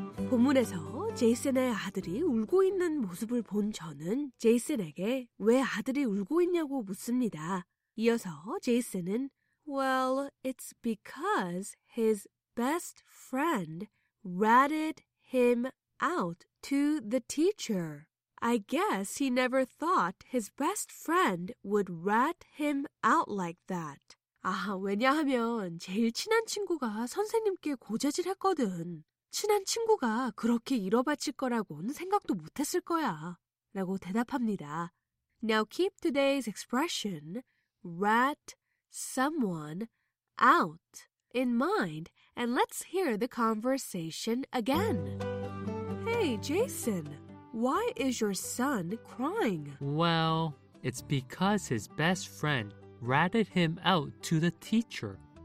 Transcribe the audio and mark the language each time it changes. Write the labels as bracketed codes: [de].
[ko] 본문에서 제이슨의 아들이 울고 있는 모습을 본 저는 제이슨에게 왜 아들이 울고 있냐고 묻습니다. 이어서 제이슨은 [en] Well, it's because his best friend ratted him out to the teacher. I guess he never thought his best friend would rat him out like that. [ko] 아, 왜냐하면 제일 친한 친구가 선생님께 고자질했거든. 친한 친구가 그렇게 잃어바칠 거라고는 생각도 못했을 거야 라고 대답합니다. [en] Now keep today's expression rat someone out in mind and let's hear the conversation again. Hey Jason, why is your son crying? Well, it's because his best friend ratted him out to the teacher.